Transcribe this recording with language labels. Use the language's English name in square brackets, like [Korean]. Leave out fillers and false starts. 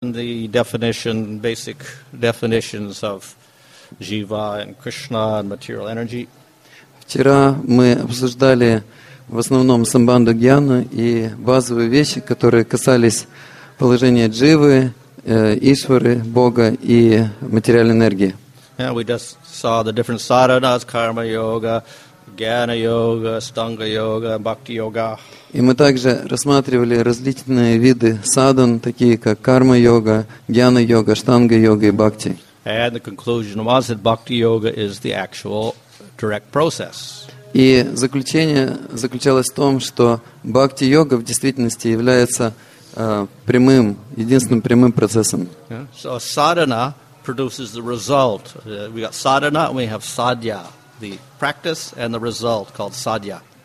[English] The definition, basic definitions of jiva and krishna and material energy. [Russian] Вчера мы обсуждали в основном самбанду гьяну и базовые вещи, которые касались положения дживы, ишвары, бога и материальной энергии. [English] Yeah, we just saw the different sadhanas, karma yoga, gyana yoga, stanga yoga, bhakti yoga. [Russian] И мы также рассматривали различные виды садан, такие как карма-йога, гьяна-йога, штанга-йога и бхакти. [English] And the conclusion was that bhakti-yoga is the actual direct process. [Russian] И заключение заключалось в том, что бхакти-йога в действительности является прямым, единственным прямым процессом. [English] So sadhana produces the result. We got sadhana and we have sadhya. The practice and the result called sadhya.